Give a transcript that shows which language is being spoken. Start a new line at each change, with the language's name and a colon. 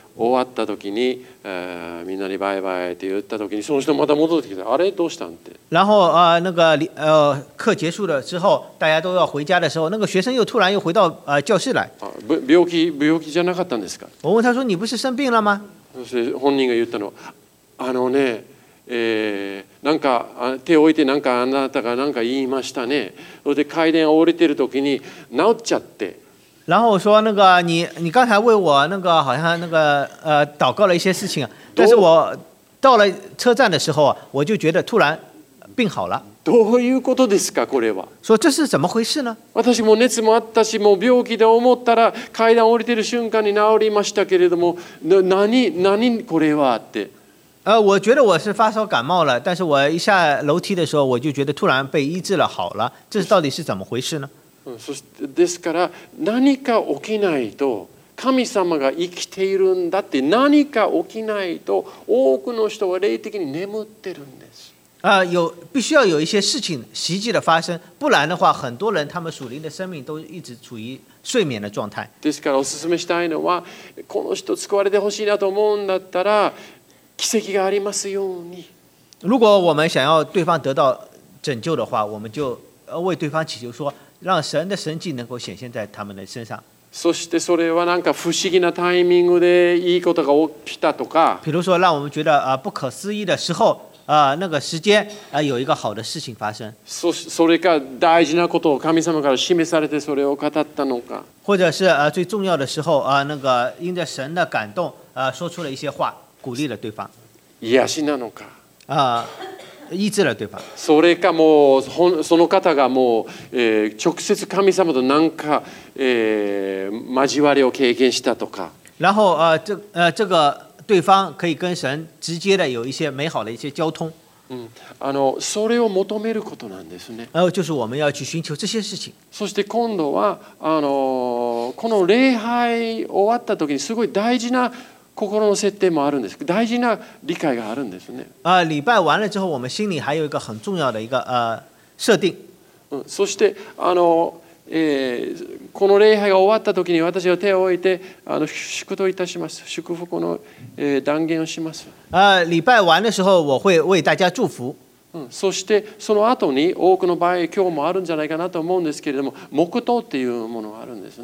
Japanese: 終わった時に、みんなにバイバイって言った時にその人また戻ってきて、あれどうしたんって。
Chinese: 然后啊、那个课结束了之后，大家都要回家的时候，那个学生又突然又回到教室来。
Japanese: あ、病気じゃなかったんですか。
Chinese: 我问他说：“你不是生病了吗？”
Japanese: そして本人が言ったの、あのね、なんか手を置いてなんかあなたがなんか言いましたね。それで階段を降りてる時に治っちゃって。
Chinese: 然后我说那个你刚才为我那个好像那个祷告了一些事情，但是我到了车站的时候我就觉得突然病好了。
Japanese: どういうことですかこれは。
Chinese: 说这是怎么回事呢？
Japanese: 私も熱もあったし、もう病気で思ったら階段降りてる瞬間に治りましたけれども、何これはって。
Chinese: 我觉得我是发烧感冒了，但是我一下楼梯的时候我就觉得突然被医治了好了，这到底是怎么回事呢？
Japanese: そしてですから何か起きないと神様が生きているんだって、何か起きないと多くの人は霊的に眠ってるんです。
Chinese: 必须要有一些事情奇迹的发生，不然的话很多人他们属灵的生命都一直处于睡眠的状态。
Japanese: ですからお勧めしたいのは、この人救われてほしいなと思うんだったら奇跡がありますように。
Chinese: 如果我们想要对方得到拯救的话，我们就为对方祈求说让神的神迹能够显现在他们的身上。
Japanese: そしてそれはなんか不思議なタイミングでいいことが起きたとか。
Chinese: 比如说让我们觉得不可思议的时候那个时间有一个好的事情发生。
Japanese: それか大事なことを神様から示されてそれを語ったのか。
Chinese: 或者是最重要的时候那个因着神的感动说出了一些话鼓励了对方。
Japanese: 癒しなのか。
Chinese: 医治了对方。
Japanese: それかもうその方がもう、直接神様と何か、交わりを経験したとか。
Chinese: 然后这个对方可以跟神直接的有一些美好的一些交通。
Japanese: それを求めることなんですね。
Chinese: 就是我们要去寻求这些事情。
Japanese: そして今度はこの礼拝終わった時にすごい大事な心の設定もあるんです。大事な理解があるんですね。
Chinese: 礼拜完了之后，我们心里还有一个很重要的一个设定。
Japanese: そしてこの礼拝が終わった時に私は手を置いて祝福といたします。祝福の、断言をします。
Chinese: 礼拜完的时候，我会为大家祝福。
Japanese: そしてその後に多くの場合今日もあるんじゃないかなと思うんですけれども、黙祷っていうものがあるんですね。